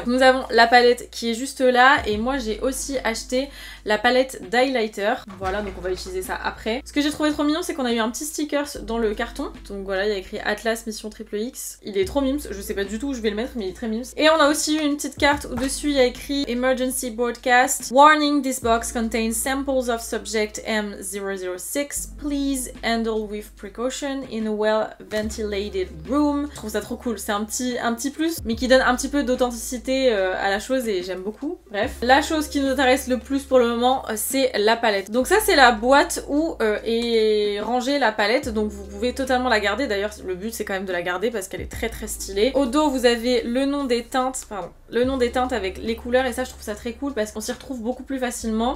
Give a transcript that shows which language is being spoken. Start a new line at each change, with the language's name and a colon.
French: Nous avons la palette qui est juste là et moi j'ai aussi acheté la palette d'highlighter. Voilà, donc on va utiliser ça après. Ce que j'ai trouvé trop mignon, c'est qu'on a eu un petit sticker dans le carton. Donc voilà, il y a écrit Atlas Mission Triple X. Il est trop mimes, je sais pas du tout où je vais le mettre, mais il est très mimes. Et on a aussi eu une petite carte où dessus il y a écrit Emergency Broadcast.
English: Warning, this box contains samples of subject M006. Please handle with precaution in a well-ventilated room.
French: Je trouve ça trop cool, c'est un petit plus, mais qui donne un petit peu d'authenticité à la chose et j'aime beaucoup. Bref, la chose qui nous intéresse le plus pour le moment, c'est la palette. Donc ça, c'est la boîte où est rangée la palette, donc vous pouvez totalement la garder. D'ailleurs, le but, c'est quand même de la garder parce qu'elle est très très stylée. Au dos, vous avez le nom des teintes, pardon, le nom des teintes avec les couleurs et ça, je trouve ça très cool parce qu'on s'y retrouve beaucoup plus facilement.